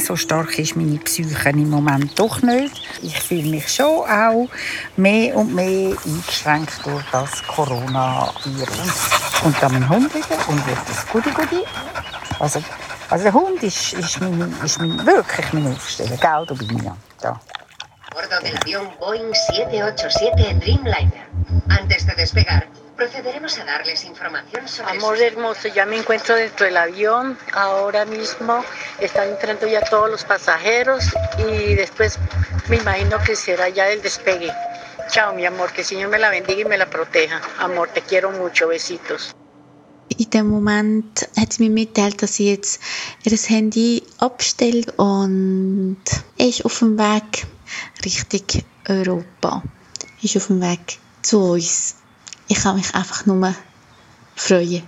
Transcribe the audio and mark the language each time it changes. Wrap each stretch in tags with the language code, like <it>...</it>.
<de>So stark ist meine Psyche im Moment doch nicht. Ich fühle mich schon auch mehr und mehr eingeschränkt durch das Coronavirus. Und dann mein Hund wieder und wird das Gudi-Gudi. Also der Hund ist mein, wirklich mein Aufsteller, gell, du bist mir ja da.</de> <es>Bordo del avión Boeing 787 Dreamliner. Antes de despegar, procederemos a darles información sobre... Amor hermoso, ya me encuentro dentro del avión. Ahora mismo están entrando ya todos los pasajeros y después me imagino que será ya el despegue. Chao, mi amor, que el Señor me la bendiga y me la proteja. Amor, te quiero mucho, besitos.</es> <de>In dem Moment hat sie mir mitgeteilt, dass sie jetzt ihr Handy abstellt und ist auf dem Weg Richtung Europa. Ist auf dem Weg zu uns. Ich kann mich einfach nur freuen.</de>